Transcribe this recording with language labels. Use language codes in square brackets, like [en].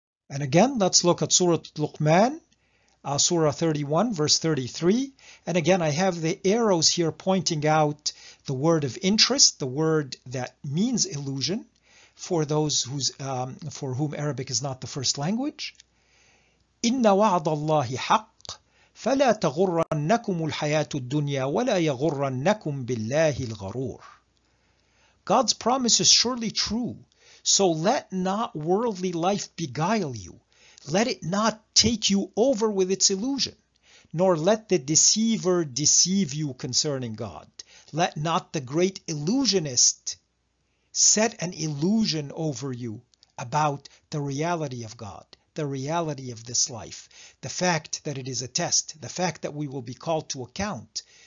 [en] And again, let's look at Surah Luqman, Surah 31, verse 33. And again, I have the arrows here pointing out the word of interest, the word that means illusion, for those for whom Arabic is not the first language. [ar] Inna wa'adallahi haqq, فلا تغرنكم الحياة الدنيا ولا يغرنكم بالله الغرور. [en] God's promise is surely true, so let not worldly life beguile you. Let it not take you over with its illusion, nor let the deceiver deceive you concerning God. Let not the great illusionist set an illusion over you about the reality of God, the reality of this life, the fact that it is a test, the fact that we will be called to account.